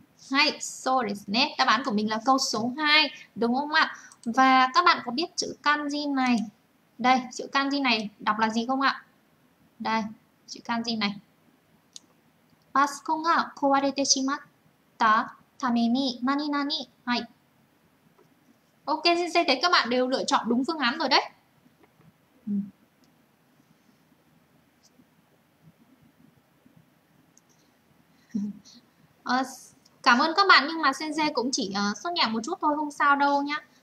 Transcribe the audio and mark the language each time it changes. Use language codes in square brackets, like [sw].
[ja] Hay, so ですね. [vi] Đáp án của mình là câu số 2, đúng không ạ? Và các bạn có biết chữ kanji này? Đây, chữ kanji này đọc là gì không ạ? Đây, chữ kanji này. [ja] パソコンが壊れてしまったために何々。はい。 [vi] OK, xin xem thấy các bạn đều lựa chọn đúng phương án rồi đấy. Cảm ơn các bạn nhưng mà sensei cũng chỉ sốt nhẹ một chút thôi, không sao đâu nhá.